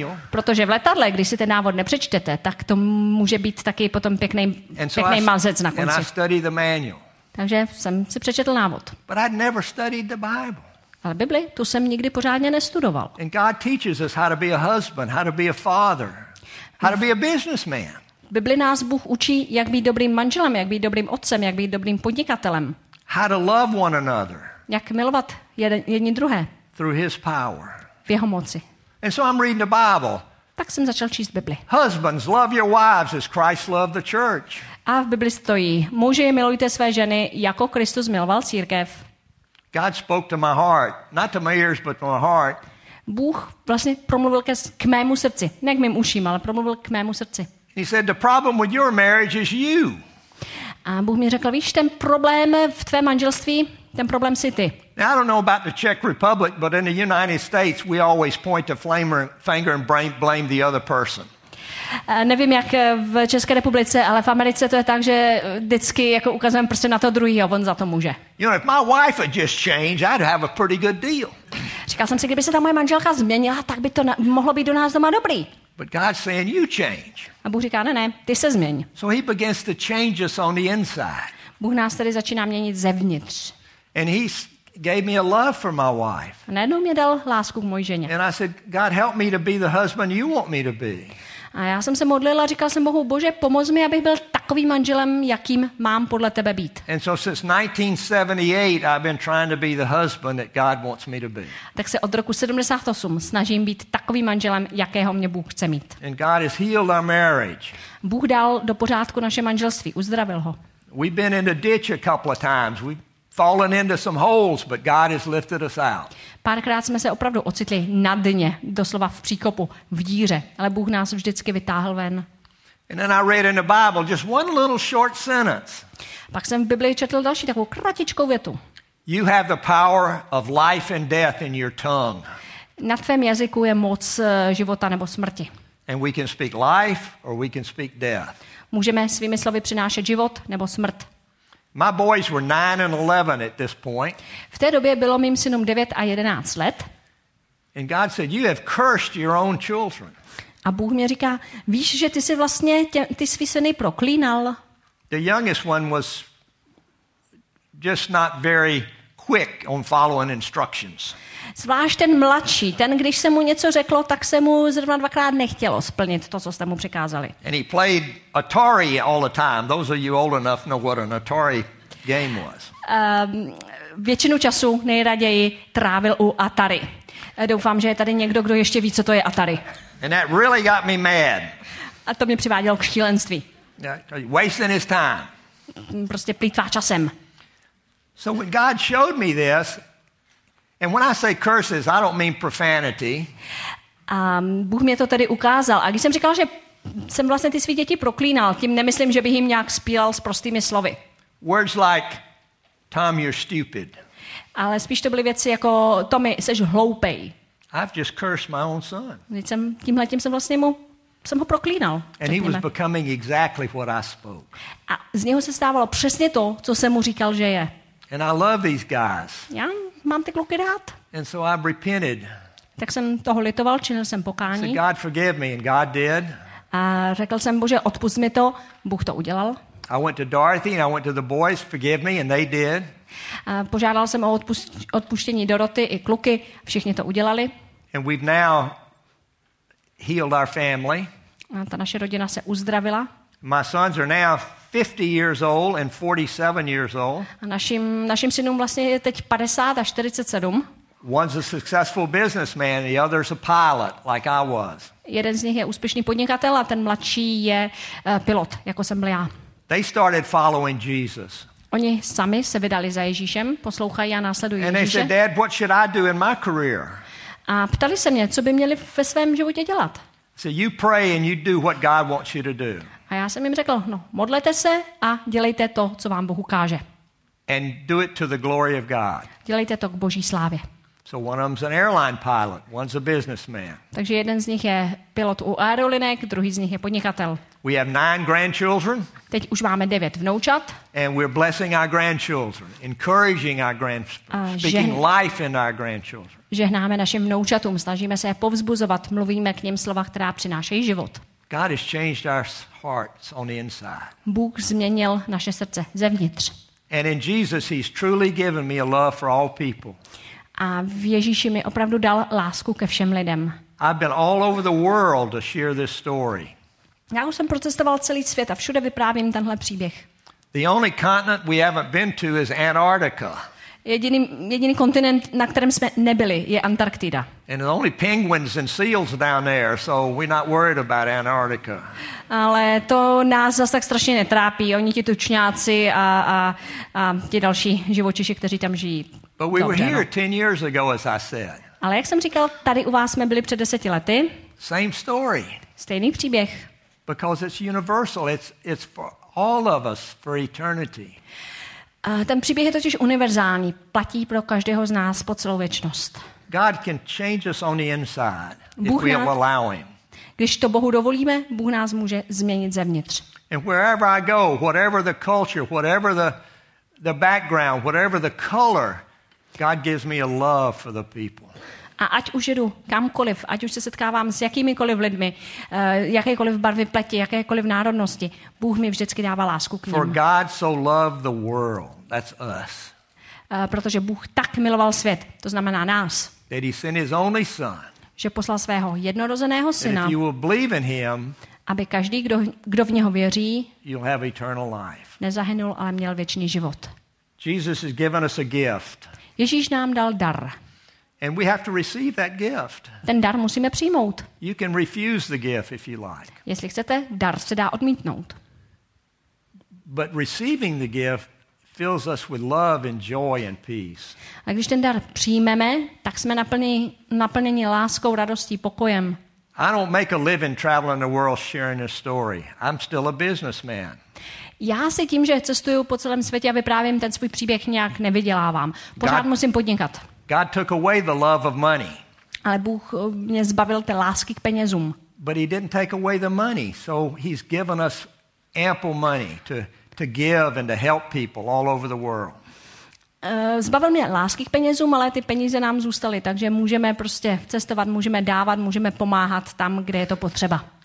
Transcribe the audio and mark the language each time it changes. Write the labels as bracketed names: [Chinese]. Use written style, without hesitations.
[Czech] Protože v letadle, když si ten návod nepřečtete, tak to může být taky potom pěkný mazec na konci. Takže jsem si přečetl návod. [English] But I'd never studied the Bible. [Czech] Ale Bibli, tu jsem nikdy pořádně nestudoval. [English] And God teaches us how to be a husband, how to be a father, how to be a businessman. [Czech] Bibli nás Bůh učí, jak být dobrým manželem, jak být dobrým otcem, jak být dobrým podnikatelem. [English] How to love one another. [Czech] Jak milovat jedni druhé. [English] Through his power. [Czech] V jeho moci. [English] And so I'm reading the Bible. [Czech] Tak jsem začal číst Bibli. [English] Husbands, love your wives as Christ loved the church. [Czech] A v Bibli stojí: muži, milujte své ženy, jako Kristus miloval církev. [English] God spoke to my heart, not to my ears, but to my heart. [Czech] Bůh vlastně promluvil k mému srdci, ne k mým uším, ale promluvil k mému srdci. [English] He said the problem with your marriage is you. [Czech] A Bůh mi řekl: víš, ten problém v tvém manželství, ten problém jsi ty. [English] Now, I don't know about the Czech Republic, but in the United States, we always point the finger and blame the other person. [Czech] Nevím, jak v České republice, ale v Americe to je tak, že vždycky jako ukazujeme prostě na to druhýho, on za to může. [English] You know, if my wife had just changed, I'd have a pretty good deal. [Czech] Říkal jsem si, kdyby se ta moje manželka změnila, tak by to mohlo být do nás doma dobrý. [English] But God's saying you change. [Czech] A Bůh říká, ne, ty se změň. [English] So he begins to change us on the inside. [Czech] Bůh nás tady začíná měnit zevnitř. [English] And he gave me a love for my wife. [Czech] A najednou mě dal lásku k mojí ženě. [English] And I said, God, help me to be the husband you want me to be. [Czech] A já jsem se modlil a říkal jsem Bohu: Bože, pomoz mi, abych byl takovým manželem, jakým mám podle tebe být. [English] And so since 1978 I've been trying to be the husband that God wants me to be. [Czech] Tak se od roku 78 snažím být takovým manželem, jakého mě Bůh chce mít. [English] And God has healed our marriage. [Czech] Bůh dal do pořádku naše manželství, uzdravil ho. [English] We've been in a ditch a couple of times. We've fallen into some holes, but God has lifted us out. [Czech] Párkrát jsme se opravdu ocitli na dně, doslova v příkopu, v díře, ale Bůh nás vždycky vytáhl ven. [English] And then I read in the Bible just one little short sentence. [Czech] Pak jsem v Biblii četl další takovou kratičkou větu. [English] You have the power of life and death in your tongue. [Czech] Na tvém jazyku je moc života nebo smrti. [English] And we can speak life or we can speak death. [Czech] Můžeme svými slovy přinášet život nebo smrt. [English] My boys were 9 and 11 at this point. [Czech] V té době bylo mým synům 9 a 11 let. [English] And God said, "You have cursed your own children." [Czech] A Bůh mi říká: "Víš, že ty si vlastně ty svý syny proklínal." [English] The youngest one was just not very quick on following instructions. [Czech] Zvlášť ten mladší, ten když se mu něco řeklo, tak se mu zrovna dvakrát nechtělo splnit to, co jste mu přikázali. [English] And he played Atari all the time. Those of you old enough know what an Atari game was. [Czech] Většinu času nejraději trávil u Atari. Doufám, že je tady někdo, kdo ještě ví, co to je Atari. [English] And that really got me mad. [Czech] A to mě přivádělo k šílenství. [English] Yeah, wasting his time. [Czech] Prostě plýtvá časem. [English] So when God showed me this, and when I say curses, I don't mean profanity. [Czech] Bůh mě to tady ukázal. A když jsem říkal, že jsem vlastně ty svý děti proklínal, tím nemyslím, že bych jim nějak spíral s prostými slovy. [English] Words like, Tom, you're stupid. [Czech] Ale spíš to byly věci jako, Tommy, seš hloupej. [English] I've just cursed my own son. [Czech] Tímhletím jsem vlastně jsem ho proklínal. [English] And he was becoming exactly what I spoke. [Czech] A z něho se stávalo přesně to, co jsem mu říkal, že je. [English] And I love these guys. [Czech] Já mám ty kluky rád. [English] And so I repented. [Czech] Tak jsem toho litoval, činil jsem pokání. [English] So God forgive me, and God did. [Czech] A řekl jsem Bože, odpust mi to, Bůh to udělal. [English] I went to Dorothy and I went to the boys, forgive me, and they did. [Czech] A požádal jsem o odpuštění Doroty i kluky, všichni to udělali. [English] And we've now healed our family. [Czech] A ta naše rodina se uzdravila. [English] My sons are now 50 years old and 47 years old. [Czech] A našim synům vlastně je teď 50 a 47. [English] One's a successful businessman, the other's a pilot, like I was. [Czech] Jeden z nich je úspěšný podnikatel a ten mladší je pilot, jako jsem byl já. [English] They started following Jesus. [Czech] Oni sami se vydali za Ježíšem, poslouchají a následují [English] Ježíše. And they said, Dad, what should I do in my career? [Czech] A ptali se mě, co by měli ve svém životě dělat. [English] So you pray and you do what God wants you to do. [Czech] A já jsem jim řekl, no, modlete se a dělejte to, co vám Bůh ukáže. [English] And do it to the glory of God. [Czech] Dělejte to k Boží slávě. [English] So one of them's an airline pilot, one's a businessman. [Czech] Takže jeden z nich je pilot u aerolinek, druhý z nich je podnikatel. [English] We have 9 grandchildren. [Czech] Teď už máme 9 vnoučat. [English] And we're blessing our grandchildren, encouraging our grandchildren, speaking life in our grandchildren. [Czech] Žehnáme našim vnoučatům, snažíme se je povzbuzovat, mluvíme k ním slova, která přinášejí život. [English] God has changed our hearts on the inside. [Czech] Bůh změnil naše srdce zevnitř. [English] And in Jesus he's truly given me a love for all people. [Czech] A v Ježíši mi opravdu dal lásku ke všem lidem. [English] I've been all over the world to share this story. [Czech] Já už jsem procestoval celý svět a všude vyprávím tenhle příběh. [English] The only continent we haven't been to is Antarctica. [Czech] Jediný kontinent, na kterém jsme nebyli, je Antarktida. [English] And the only penguins and seals down there, so we're not worried about Antarctica. [Czech] Ale to nás zase tak strašně netrápí. Oni ti tučňáci a ti další živočiši, kteří tam žijí. [English] But we were here 10 years ago, as I said. [Czech] Ale jak jsem říkal, tady u vás jsme byli před 10 lety. [English] Same story. [Czech] Stejný příběh. [English] Because it's universal, it's for all of us for eternity. [Czech] Ten příběh je totiž univerzální, platí pro každého z nás po celou věčnost. [English] God can change us on the inside if we allow him. [Czech] Když to Bohu dovolíme, Bůh nás může změnit zevnitř. [English] And wherever I go, whatever the culture, whatever the background, whatever the color, God gives me a love for the people. [Czech] A ať už jedu kamkoliv, ať už se setkávám s jakýmikoliv lidmi, jakékoliv barvy pleti, jakékoliv národnosti, Bůh mi vždycky dává lásku k ním. [English] For God so loved the world, that's us. [Czech] Protože Bůh tak miloval svět, to znamená nás. [English] That he sent his only son. [Czech] Že poslal svého jednorozeného syna. [English] If you will believe in him, [Czech] aby každý, kdo v něho věří, [English] you'll have eternal life. [Czech] Nezahynul, ale měl věčný život. [English] Jesus has given us a gift. [Czech] Ježíš nám dal dar. [English] And we have to receive that gift. [Czech] Ten dar musíme přijmout. [English] You can refuse the gift if you like. [Czech] Jestli chcete, dar se dá odmítnout. [English] But receiving the gift fills us with love and joy and peace. [Czech] A když ten dar přijmeme, tak jsme naplněni láskou, radostí, pokojem. [English] I don't make a living traveling the world sharing this story. I'm still a businessman. [Czech] Já si tím, že cestuju po celém světě a vyprávím ten svůj příběh, nějak nevydělávám. Pořád musím podnikat. [English] God took away the love of money. [Czech] Ale Bůh mě zbavil té lásky k penězům. [English] But he didn't take away the money, so he's given us ample money to give and to help people all over the world. [Czech] Zbavil mě lásky k penězům, ale ty peníze nám zůstaly, takže můžeme prostě cestovat, můžeme dávat, můžeme pomáhat tam, kde je to potřeba.